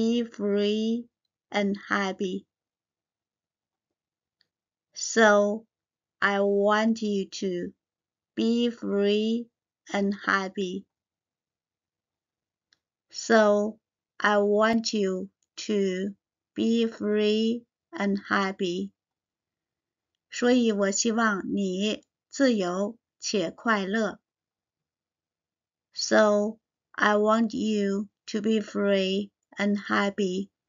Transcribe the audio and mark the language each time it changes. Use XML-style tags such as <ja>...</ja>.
<en>所以,I want you to be free and happy. So, I want you to be free and happy. So, I want you to be free and happy.</en> <zh>所以我希望你自由且快乐。</zh> <en>So, I want you to be free and happy.</en>